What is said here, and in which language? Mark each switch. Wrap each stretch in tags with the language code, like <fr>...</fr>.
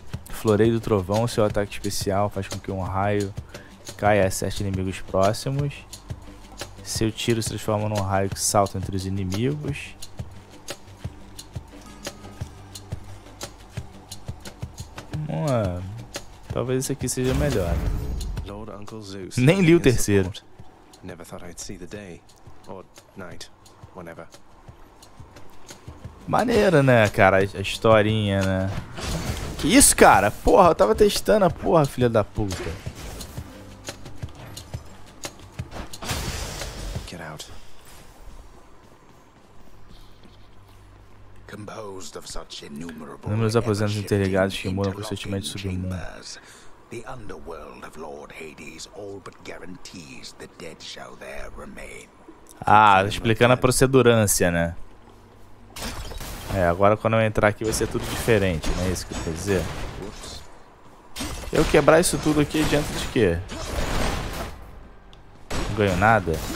<pt>Floreio do trovão, seu ataque especial faz com que um raio caia a 7 inimigos próximos. Seu tiro se transforma num raio que salta entre os inimigos. Talvez esse aqui seja melhor.</pt> <en>Lord Uncle Zeus.</en> <pt>Nem li o terceiro.</pt> <en>Never thought I'd see the day or night, whenever.</en> <pt>Maneira, né, cara, a historinha, né? Que isso, cara? Porra, eu tava testando a porra, filha da puta.</pt> <en>Get out. Compose.</en> <pt>Inúmeros aposentos interligados que mudam com sentimentos submundos.</pt> <en>The underworld of Lord Hades all but guarantees the dead shall there remain.</en> <pt>Ah, explicando a procedurância, né? É, agora quando eu entrar aqui vai ser tudo diferente, não é isso que eu quero dizer? Ups. Eu quebrar isso tudo aqui adianta de quê? Não ganho nada?</pt>